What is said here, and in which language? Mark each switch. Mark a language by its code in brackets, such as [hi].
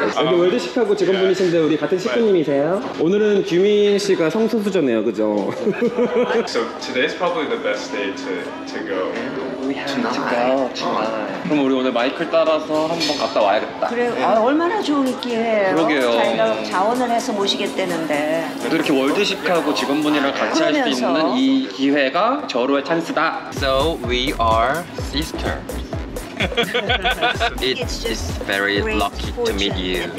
[ko] 여기 월드시카고 직원분이신데 우리 같은 시카고 님이세요? 오늘은 규민 씨가 성소수자네요, 그죠? [en] So today is probably the best day to go. We have tonight. To go tonight. [ko] 그럼 우리 오늘 마이클 따라서 한번 갔다 와야겠다. 그래, 네. 아, 얼마나 좋은 기회예요. 그러게요. 자기가 자원을 해서 모시겠다는데. 또 이렇게 월드시카고 직원분이랑 같이 할 수 있는 이 기회가 절호의 찬스다. [en] So we are sisters. it's very lucky to meet you.